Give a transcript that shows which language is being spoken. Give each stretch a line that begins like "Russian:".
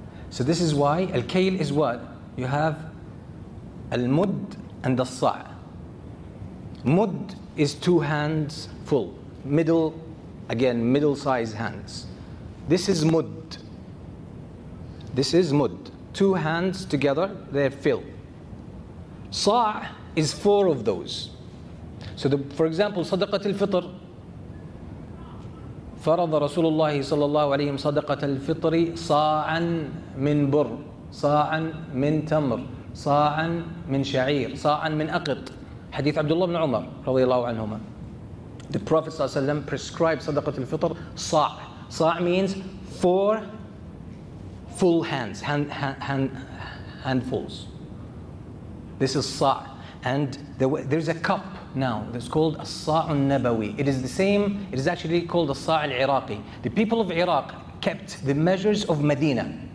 English: So this is why, al-kail is what? You have al-mud and al-sa'. Mud is 2 hands full. Middle, again, middle size hands. This is mud. This is mud. 2 hands together, they're filled. Sa' is 4 of those. So the, for example,
Arabic: Sadaqat al-Fitr, فَرَضَ رَسُولُ اللَّهِ صَلَى اللَّهُ عَلَيْهِمْ صَدَقَةَ الْفِطْرِ صَاعًا مِنْ بُرْ صَاعًا مِنْ تَمْرْ صَاعًا مِنْ شَعِيرْ صَاعًا مِنْ أَقِطْ حديث عبد الله بن عمر رضي الله عنهما.
English: The Prophet
Arabic: صلى الله عليه وسلم
English: prescribed
Arabic: صدقه الفطر صاع.
English: صاع means 4 full hands, handfuls. This is صاع. And there is a cup now, that's called As-Sa' al-Nabawi. It is the same, it is actually called As-Sa' al-Iraqi. The people of Iraq kept the measures of Medina.